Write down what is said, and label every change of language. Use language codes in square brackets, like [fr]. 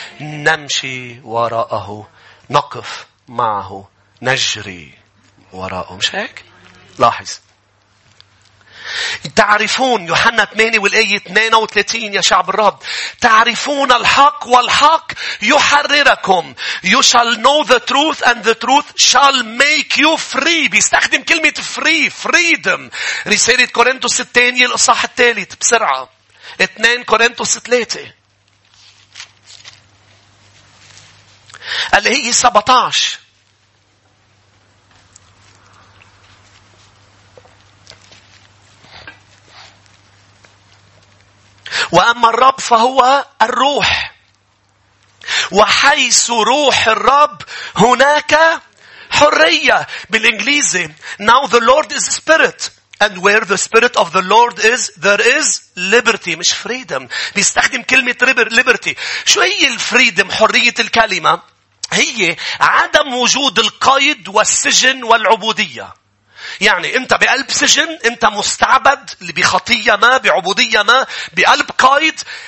[ar] نمشي وراءه. نقف معه. نجري وراءه. مش هيك؟ لاحظ. تعرفون يوحنا 8 والآية 32 يا شعب الرب. تعرفون الحق والحق يحرركم. [en] You shall know the truth and the truth shall make you free. [ar] بيستخدم كلمة free. [en] Freedom. [ar] رسالة كورنثوس الثانية الإصحاح الثالث بسرعة. 2 كورنثوس 3. الآية 17. وأما الرب فهو الروح. وحيث روح الرب هناك حرية. بالإنجليزي. [en] Now the Lord is spirit. And where the spirit of the Lord is, there is liberty. [ar] مش freedom. بيستخدم كلمة liberty. شو هي الفريدم؟ حرية الكلمة. هي عدم وجود القيد والسجن والعبودية. يعني انت بقلب سجن. انت مستعبد بخطية ما بعبودية ما بقلب قايد.